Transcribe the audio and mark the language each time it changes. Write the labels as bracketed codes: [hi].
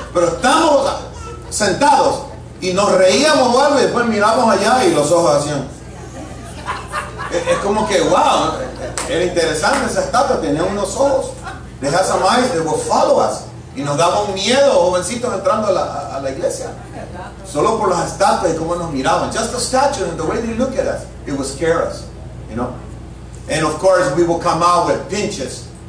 [es] Pero estamos sentados y nos reíamos o algo y después miramos allá y los ojos hacían. Es como que, wow, era interesante esa estatua, tenía unos ojos. [en] They had some eyes, they would follow us. [es] Y nos daba un miedo, jovencitos entrando a la iglesia. Solo por las estatuas y cómo nos miraban. [en] Just the statues and the way they look at us, it would scare us, you know. And of course, we would come out with pinches.